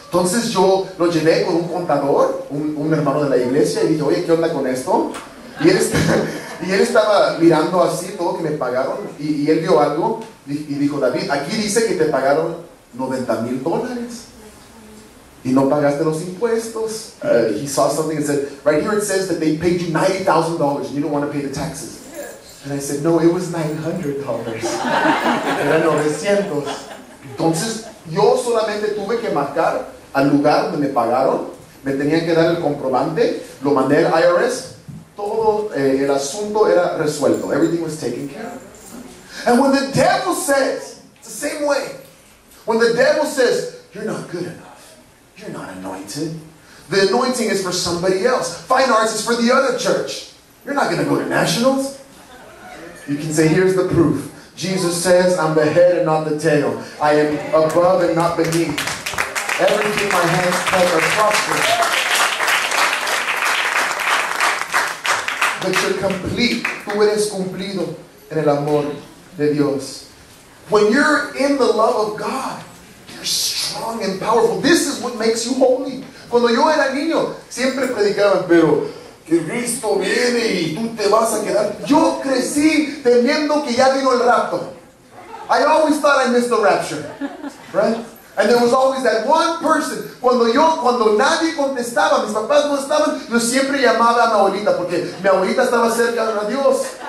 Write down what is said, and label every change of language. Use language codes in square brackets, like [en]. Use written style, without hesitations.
[es] Entonces yo lo llevé con un contador, un hermano de la iglesia, y dije, oye, ¿qué onda con esto? Y él estaba mirando así todo que me pagaron, y él vio algo, y dijo, David, aquí dice que te pagaron $90,000. Y no pagaste los impuestos. [en] He saw something and said, right here it says that they paid you $90,000 and you don't want to pay the taxes. And I said, no, it was $900. [es] Era 900. Entonces, yo solamente tuve que marcar al lugar donde me pagaron. Me tenían que dar el comprobante. Lo mandé al IRS. Todo el asunto era resuelto. [en] Everything was taken care of. And when the devil says, it's the same way. When the devil says, you're not good enough. You're not anointed. The anointing is for somebody else. Fine arts is for the other church. You're not going to go to nationals. You can say, here's the proof. Jesus says, I'm the head and not the tail. I am above and not beneath. Everything my hands touch are prosperous. But you're complete. [es] Tú eres cumplido en el amor de Dios. [en] When you're in the love of God, you're strong and powerful. This is what makes you holy. [es] Cuando yo era niño, siempre predicaban, pero que Cristo viene y tú te vas a quedar. Yo crecí temiendo que ya vino el rapto. [en] I always thought I missed the rapture. Right? And there was always that one person. [es] Cuando nadie contestaba, mis papás no estaban, yo siempre llamaba a mi abuelita, porque mi abuelita estaba cerca de Dios.